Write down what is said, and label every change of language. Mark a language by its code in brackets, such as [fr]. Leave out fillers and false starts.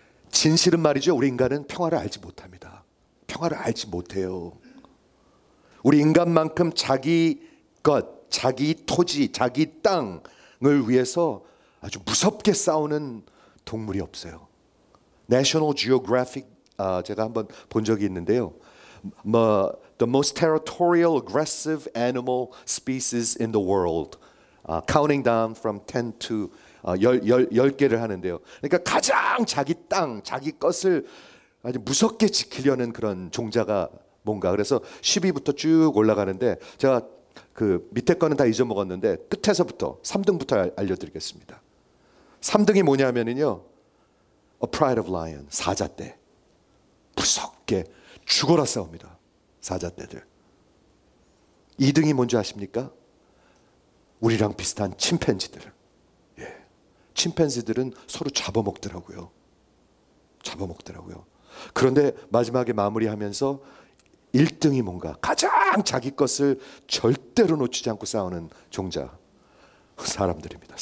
[ko] 진실은 말이죠. 우리 인간은 평화를 알지 못합니다. 평화를 알지 못해요. 우리 인간만큼 자기 것, 자기 토지, 자기 땅을 위해서 아주 무섭게 싸우는 동물이 없어요. National Geographic 제가 한번 본 적이 있는데요. [en] The most territorial aggressive animal species in the world. Counting down from 10 to [ko] 10개를 하는데요. 그러니까 가장 자기 땅, 자기 것을 아주 무섭게 지키려는 그런 종자가 뭔가. 그래서 10위부터 쭉 올라가는데 제가 그 밑에 거는 다 잊어먹었는데 끝에서부터 3등부터 알려드리겠습니다. 3등이 뭐냐면요, [en] A pride of lion, [ko] 사자떼. 무섭게 죽어라 싸웁니다, 사자떼들. 2등이 뭔지 아십니까? 우리랑 비슷한 침팬지들. 예, 침팬지들은 서로 잡아먹더라고요. 잡아먹더라고요. 그런데 마지막에 마무리하면서 1등이 뭔가, 가장 자기 것을 절대로 놓치지 않고 싸우는 종자, 사람들입니다.